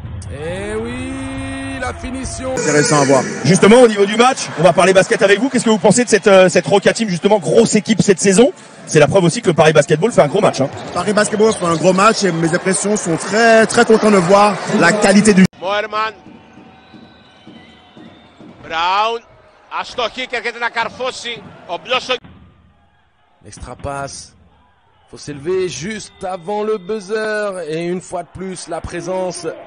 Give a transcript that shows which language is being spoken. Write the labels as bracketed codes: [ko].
[fr] Eh oui, la finition. Intéressant à voir. Justement, au niveau du match, on va parler basket avec vous. Qu'est-ce que vous pensez de cette Roca Team, justement, grosse équipe cette saison? C'est la preuve aussi que Paris Basketball fait un gros match. Hein. Paris Basketball fait un gros match et mes impressions sont très très contents de voir la qualité du. Moerman. Brown. [el] Αστοχή και έρχεται να καρφώσει ο Blossom. [en] Extra pass. [fr] Faut s'élever juste avant le buzzer et une fois de plus la présence.